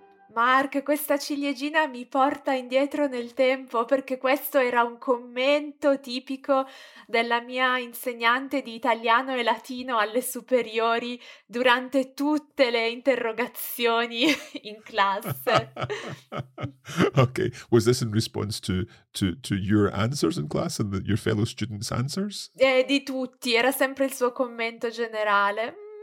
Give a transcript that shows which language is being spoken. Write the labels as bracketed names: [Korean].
[Italian] Mark, questa ciliegina mi porta indietro nel tempo, perché questo era un commento tipico della mia insegnante di italiano e latino alle superiori durante tutte le interrogazioni in classe. [English] Okay, was this in response to your answers in class and your fellow students' answers? [Italian] Di tutti, era sempre il suo commento generale.